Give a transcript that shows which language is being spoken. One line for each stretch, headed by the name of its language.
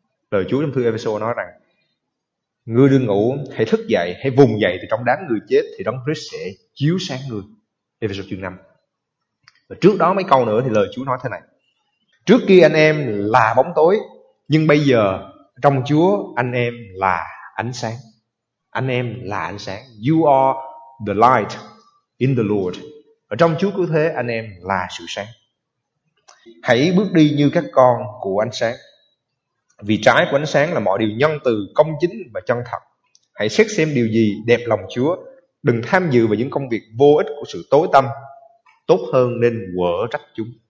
Vietnamese: Lời Chúa trong thư Ê-phê-sô nói rằng ngươi đừng ngủ, hãy thức dậy, hãy vùng dậy từ trong đám người chết thì Đấng Christ sẽ chiếu sáng ngươi. Ê-phê-sô chương 5. Và trước đó mấy câu nữa thì lời Chúa nói thế này: trước kia anh em là bóng tối, nhưng bây giờ trong Chúa anh em là ánh sáng. Anh em là ánh sáng.
English: You are the light in the Lord.
Vietnamese: Ở trong Chúa cứu thế anh em là sự sáng. Hãy bước đi như các con của ánh sáng, vì trái của ánh sáng là mọi điều nhân từ, công chính và chân thật. Hãy xét xem điều gì đẹp lòng Chúa, đừng tham dự vào những công việc vô ích của sự tối tăm, tốt hơn nên quở trách chúng.